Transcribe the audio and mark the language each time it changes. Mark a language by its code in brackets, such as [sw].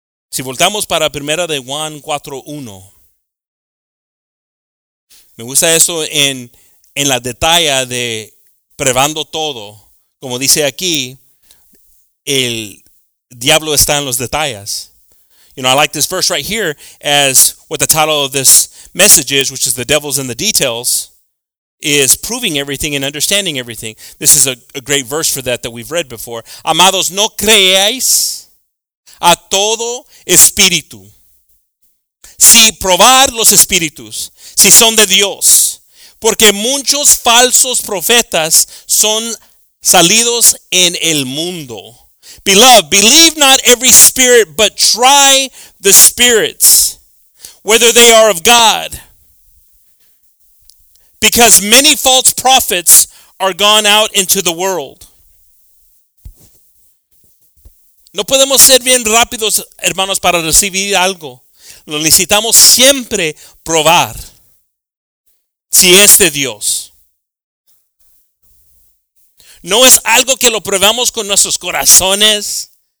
[es] Si voltamos para Primera de Juan 4:1, me gusta eso en la detalle de probando todo. Como dice aquí, el diablo está en los detalles. [en] You know, I like this verse right here as what the title of this message is, which is The Devil's in the Details, is proving everything and understanding everything. This is a great verse for that we've read before. [es] Amados, no creáis a todo espíritu. Si probar los espíritus, si son de Dios. Porque muchos falsos profetas son salidos en el mundo. [en] Beloved, believe not every spirit, but try the spirits, whether they are of God. Because many false prophets are gone out into the world. [es] No podemos ser bien rápidos, hermanos, para recibir algo. Lo necesitamos siempre probar si es de Dios. No es algo que lo probamos con nuestros corazones.